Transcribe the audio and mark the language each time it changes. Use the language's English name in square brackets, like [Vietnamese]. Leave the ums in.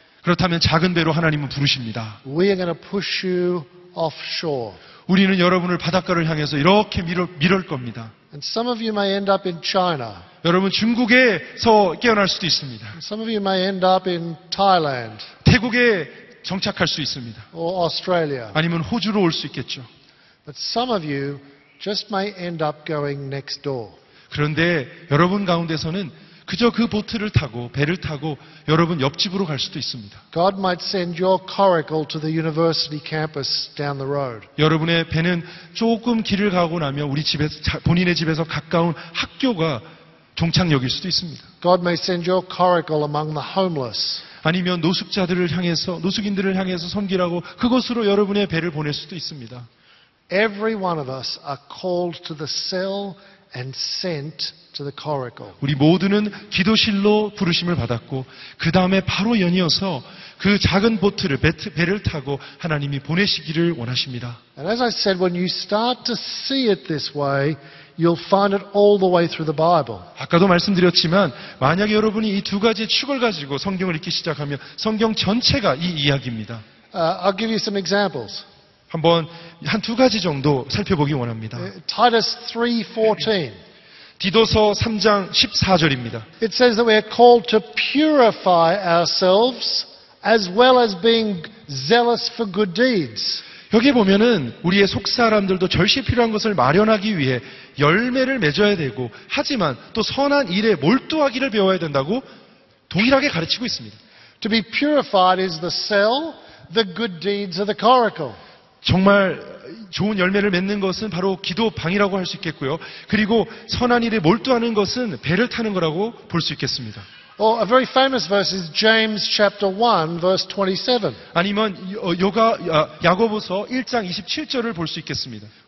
[Korean] 그렇다면 작은 배로 하나님은 부르십니다. [English] We are going to push you offshore. [Korean] 우리는 여러분을 바닷가를 향해서 이렇게 밀을 겁니다. [English] And some of you may end up in China. [Korean] 여러분 중국에서 깨어날 수도 있습니다. [English] Some of you may end up in Thailand. [Korean] 태국에 정착할 수 있습니다. [English] Or Australia. [Korean] 아니면 호주로 올 수 있겠죠. [English] But some of you just may end up going next door. [Korean] 그런데 여러분 가운데서는 그저 그 보트를 타고 배를 타고 여러분 옆집으로 갈 수도 있습니다. [English] God might send your coracle to the university campus down the road. [Korean] 여러분의 배는 조금 길을 가고 나면 우리 집에서 본인의 집에서 가까운 학교가 종착역일 수도 있습니다. [English] God may send your coracle among the homeless. [Korean] 아니면 노숙자들을 향해서 노숙인들을 향해서 섬기라고 그곳으로 여러분의 배를 보낼 수도 있습니다. [English] Every one of us are called to the cell and sent to the coracle. [Korean] 우리 모두는 기도실로 부르심을 받았고 그 다음에 바로 연이어서 그 작은 보트를 배트, 배를 타고 하나님이 보내시기를 원하십니다. [English] And as I said, when you start to see it this way. You'll find it all the way through the Bible. [Korean] 아까도 말씀드렸지만 만약에 여러분이 이 두 가지 축을 가지고 성경을 읽기 시작하면 성경 전체가 이 이야기입니다. [English] Uh, I'll give you some examples. [Korean] 한번 한 두 가지 정도 살펴보기 원합니다. [English] Titus 3:14. [Korean] 디도서 3장 14절입니다. [English] It says that we are called to purify ourselves as well as being zealous for good deeds. [Korean] 여기 보면은 우리의 속 사람들도 절실히 필요한 것을 마련하기 위해 열매를 맺어야 되고 하지만 또 선한 일에 몰두하기를 배워야 된다고 동일하게 가르치고 있습니다. [English] To be purified is the cell, the good deeds are the coracle. [Korean] 정말 좋은 열매를 맺는 것은 바로 기도방이라고 할 수 있겠고요. 그리고 선한 일에 몰두하는 것은 배를 타는 거라고 볼 수 있겠습니다. 아니면 요가 야, 야고보서 1장 27절을 볼 수 있겠습니다.